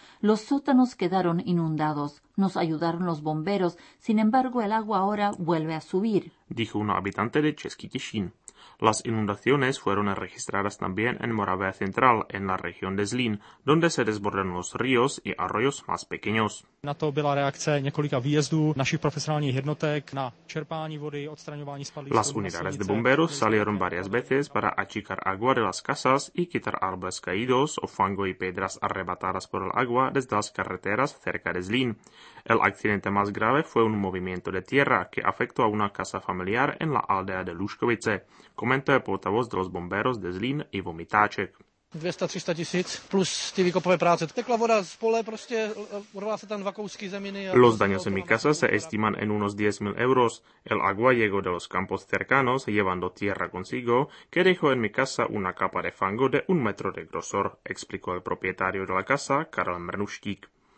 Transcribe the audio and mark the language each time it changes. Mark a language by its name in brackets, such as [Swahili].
[Spanish] Los sótanos quedaron inundados. Nos ayudaron los bomberos. Sin embargo, el agua ahora vuelve a subir, dijo un habitante de Český Těšín. Las inundaciones fueron registradas también en Moravia Central, en la región de Zlín, donde se desbordaron los ríos y arroyos más pequeños. [Czech] Na to byla reakce několika výjezdů našich profesionálních jednotek na čerpání vody, odstraňování spalí. [Spanish] Las unidades de bomberos salieron varias veces para achicar agua de las casas y quitar árboles caídos o fango y piedras arrebatadas por el agua desde las carreteras cerca de Zlín. El accidente más grave fue un movimiento de tierra que afectó a una casa familiar en la aldea de Luškovice, comentó el portavoz de los bomberos de Zlín, Ivo Mitáček. [Czech] 200-300 tisíc plus ty výkopové práce. Tekla voda z pole, prostě urvala se tam dva kousky zeminy. [Spanish] Los daños en mi casa se estiman en unos 10.000 euros. El agua llegó de los campos cercanos, llevando tierra consigo, que dejó en mi casa una capa de fango de un metro de grosor, explicó el propietario de la casa, Karel Mrnuštík.